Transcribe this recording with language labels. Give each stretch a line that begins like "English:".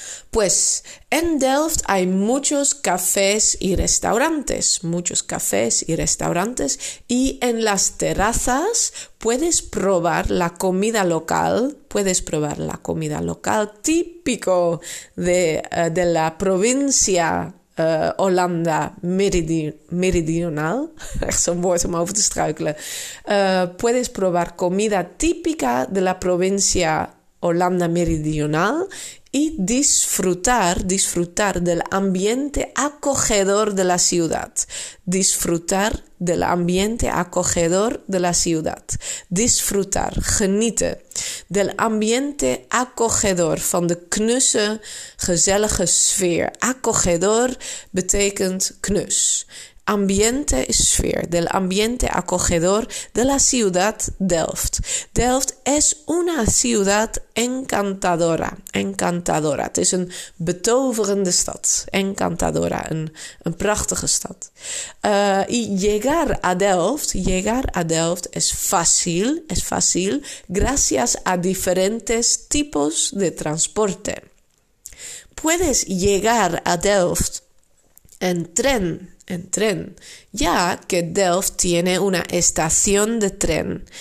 Spanish: Pues, en Delft hay muchos cafés y restaurantes, y en las terrazas puedes probar la comida local típico de la provincia Holanda meridional.
Dutch: Echt zo'n woord om over te struikelen.
Spanish: Puedes probar comida típica de la provincia Holanda meridional y disfrutar, disfrutar del ambiente acogedor de la ciudad. Disfrutar del ambiente acogedor de la ciudad.
Dutch: Disfrutar, genieten
Spanish: del ambiente acogedor,
Dutch: van de knusse, gezellige sfeer. Acogedor betekent knus.
Spanish: Ambiente es sfeer, del ambiente acogedor de la ciudad Delft. Delft es una ciudad encantadora, encantadora.
Dutch: Het is een betoverende stad, encantadora, een prachtige stad.
Spanish: Llegar a Delft es fácil, gracias a diferentes tipos de transporte. Puedes llegar a Delft en tren. En tren, ya que Delft tiene una estación de tren.